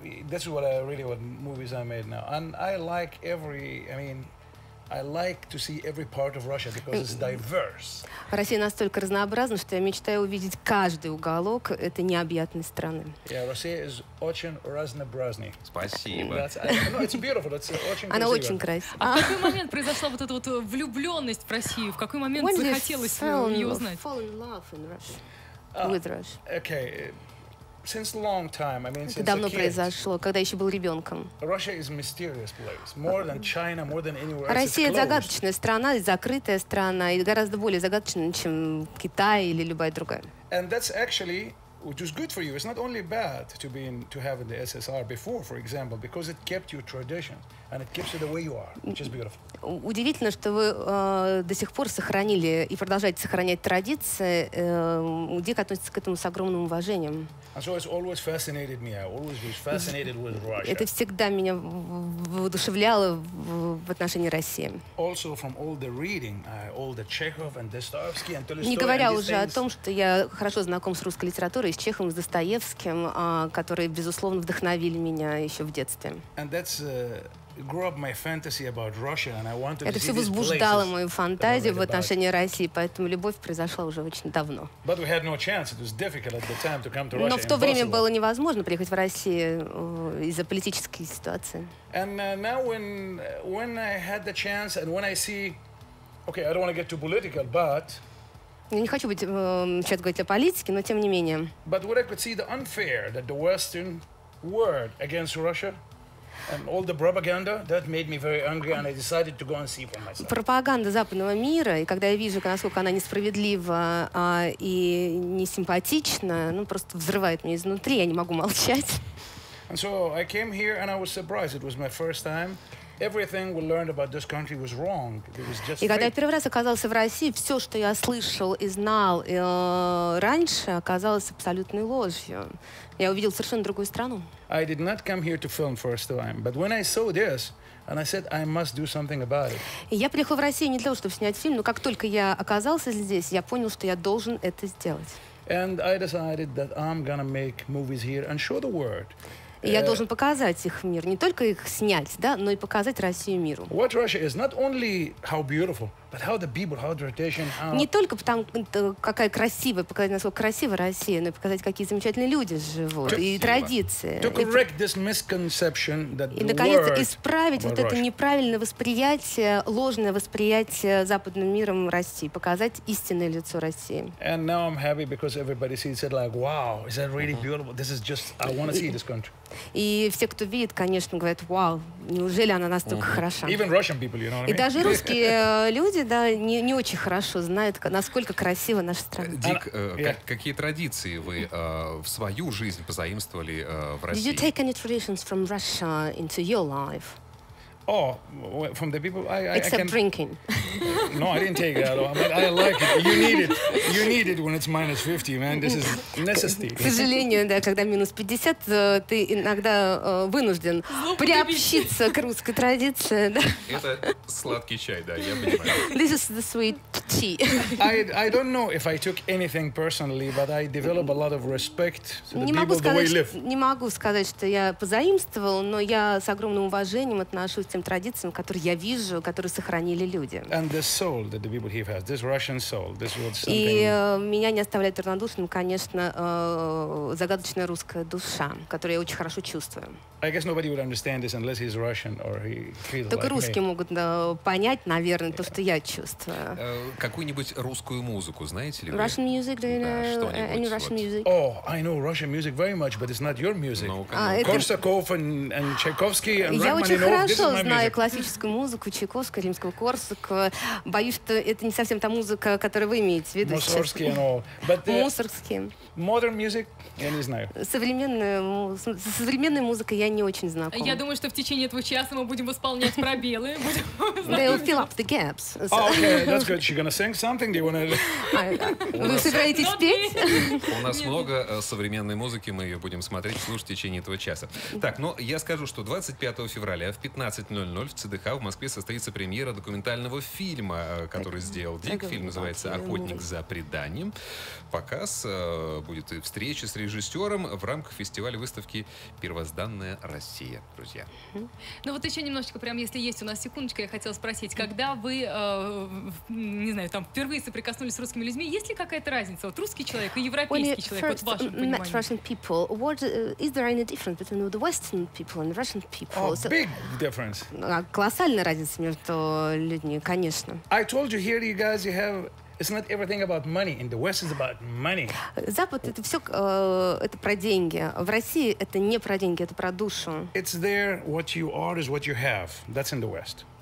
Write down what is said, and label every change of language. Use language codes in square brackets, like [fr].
[en] That's what I really what movies I made now. And I like to see every part of Russia because it's diverse. [ru] Россия настолько разнообразна, что я мечтаю увидеть каждый уголок этой необъятной страны. [en] Yeah, [ru] Россия [en] is [ru] очень разнообразной. Спасибо. [en] It's beautiful. It's [ru] очень красиво. Она очень красива. А в какой момент произошла вот эта вот влюбленность в Россию? В какой момент захотелось ее узнать? [en] Fall in love in Russia. With Russia. Okay. Since long time, I mean, since [ru] Это давно произошло, когда еще был ребенком. [en] Russia is mysterious place, more than China, more than anywhere else. [ru] Россия загадочная страна, закрытая страна, и гораздо более загадочная, чем Китай или любая другая. [en] And that's actually, which is good for you. It's not only bad to have in the SSR before, for example, because it kept your traditions. and it gives you the way you are, which is beautiful. [ru] Удивительно, что вы до сих пор сохранили и продолжаете сохранять традиции. Дик относится к этому с огромным уважением. Это всегда меня воодушевляло в отношении России. [en] Also from all the reading, all the Chekhov and Dostoevsky and Tolstoy. [ru] Не говоря уже о том, что я хорошо знаком с русской литературой, с Чеховым, с Достоевским, которые безусловно вдохновили меня еще в детстве. [en] And that's grew up my fantasy about Russia, and I wanted to. [ru] Это все возбуждало мою фантазию в отношении России, поэтому любовь произошла уже очень давно. [en] But we had no chance. It was difficult at the time to come to Russia. [ru] Но в то время было невозможно приехать в Россию из-за политической ситуации. [en] And now when I had the chance and when I see, okay, I don't want to get too political, but. [ru] Я не хочу быть сейчас говорить о политике, но тем не менее. [en] But what I could see the unfair that the Western word against Russia. And all the propaganda that made me very angry, and I decided to go and see for myself. [ru] Пропаганда западного мира, и когда я вижу, насколько она несправедлива и несимпатична, ну просто взрывает меня изнутри, я не могу молчать. [en] And so I came here, and I was surprised. It was my first time. Everything we learned about this country was wrong. It was just. [ru] И когда я первый раз оказался в России, все, что я слышал и знал раньше, оказалось абсолютной ложью. Я увидел совершенно другую страну. [en] I did not come here to film first time, but when I saw this, and I said I must do something about it. [ru] Я приехал в Россию не для того, чтобы снять фильм, но как только я оказался здесь, я понял, что я должен это сделать. [en] And I decided that I'm gonna make movies here and show the world. [ru] Я должен показать их мир, не только их снять, да, но и показать Россию миру. [en] What Russia is not only how beautiful, but how the people, how the tradition, how. [ru] Не только потому, какая красивая, показать, насколько красивая Россия, но и показать, какие замечательные люди живут и традиции. [en] To correct this misconception that the world. [ru] И наконец исправить вот это неправильное восприятие, ложное восприятие западным миром России, показать истинное лицо России. [en] And now I'm happy because everybody sees it like, wow, is that really beautiful? This is just, I want to see this country. [ru] И все, кто видит, конечно, говорят, вау, неужели она настолько хороша? [en] Even Russian people, you know what I mean? [ru] И даже русские люди, да, не очень хорошо знают, насколько красива наша страна. Дик, какие традиции вы в свою жизнь позаимствовали в России? [en] Did you take any traditions from Russia into your life? Oh, from the people except I can. Drinking. No, I didn't take it at all. I like it. You need it. You need it when it's minus 50, man. This is necessity. [ru] К сожалению, да, когда минус 50, ты иногда вынужден приобщиться к русской традиции, да. Это сладкий чай, да, я понимаю. [en] This is the sweet tea. I don't know if I took anything personally, but I developed a lot of respect to the people the way you live. [ru] Не могу сказать, что я позаимствовал, но я с огромным уважением отношусь с тем традициям, которые я вижу, которые сохранили люди. [en] And the soul that the people here have, this Russian soul, this was something. [ru] И меня не оставляет равнодушным, конечно, загадочная русская душа, которую я очень хорошо чувствую. [en] I guess nobody would understand this unless he's Russian or he feels like. [ru] Только русские могут понять, наверное, то, что я чувствую. Какую-нибудь русскую музыку знаете ли вы? [en] Russian music, do you know any Russian music? Oh, I know Russian music very much, but it's not your music. Korsakov and Tchaikovsky and Rachmaninov. [ru] Я очень хорошо знаю классическую музыку Чайковского, Римского-Корсакова. Боюсь, что это не совсем та музыка, которую вы имеете в виду. Мусоргский, но. Мусоргский. [en] Modern music, [ru] я не знаю. Современная музыка. Я не очень знакома. Я думаю, что в течение этого часа мы будем восполнять пробелы. [en] They'll fill up the gaps. So. Oh, okay, that's good. She's gonna sing something. Do you wanna? [ru] Вы собираетесь петь? У нас много современной музыки, мы ее будем смотреть, слушать в течение этого часа. Так, ну, я скажу, что 25 февраля в 15:00 в ЦДХ в Москве состоится премьера документального фильма, который сделал Дик. Фильм называется «Охотник за преданием». Показ будет и встреча с режиссером в рамках фестиваля выставки «Первозданная Россия», друзья. Ну вот еще немножечко, прям, если есть у нас секундочка, я хотела спросить, когда вы, не знаю, там впервые соприкоснулись с русскими людьми, есть ли какая-то разница? Вот русский человек и европейский человек, вот в вашем понимании. [en] Met Russian people. What is there any difference between the Western people and the Russian people? Oh, so, big difference. [ru] Колоссальная разница между людьми, конечно. [en] I told you here, you guys, you have. It's not everything about money. In the West, it's about money. [ru] Запад — это все, это про деньги. В России это не про деньги, это про душу. [en] It's there. What you are is what you have. That's in the West.